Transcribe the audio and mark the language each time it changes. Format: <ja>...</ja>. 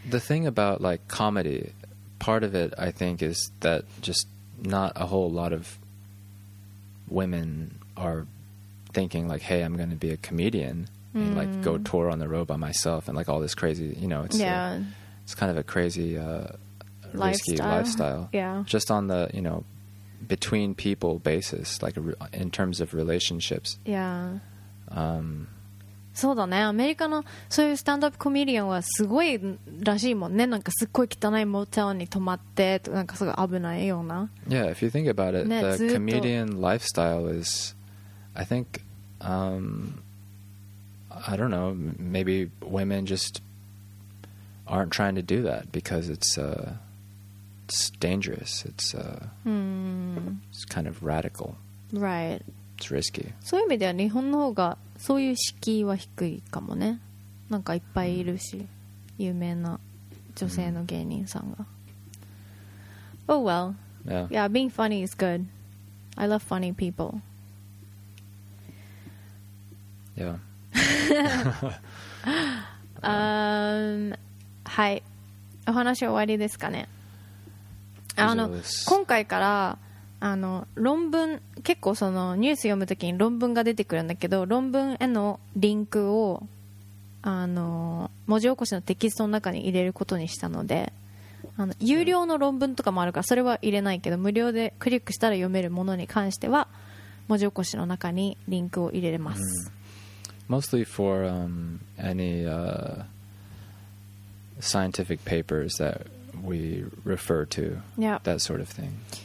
<en>the thing about like comedy, part of it I think is that just not a whole lot of women are thinking like, hey, I'm going to be a comedian and like go tour on the road by myself and like all this crazy, you know, it's it's kind of a crazy risky lifestyle. Yeah, just on the, you know, between people basis, like in terms of relationships. Yeah.</en> <ja>そうだね、アメリカのそういうスタンドアップコメディアンはすごいらしいもんね。なんかすっごい汚いモーテルに泊まってなんかすごい危ないような。</ja> <en>Yeah, if you think about it, the comedian lifestyle is, I think, I don't know, maybe women just aren't trying to do that because it's dangerous. It's kind of radical. Right. It's risky.</en> <ja>そういう意味では日本の方がそういう敷居は低いかもね。なんかいっぱいいるし、有名な女性の芸人さんが。</ja> <en>Oh well. Yeah, being funny is good. I love funny people. Yeah.</en> <ja>はい。お話は終わりですかね。あの、今回からあの論文、結構そのニュース読むときに論文が出てくるんだけど、論文へのリンクをあの文字起こしのテキストの中に入れることにしたので、あの有料の論文とかもあるからそれは入れないけど、無料でクリックしたら読めるものに関しては文字起こしの中にリンクを入れれます。</ja> <en>Mostly for any scientific papers that we refer to, that sort of thing.</en>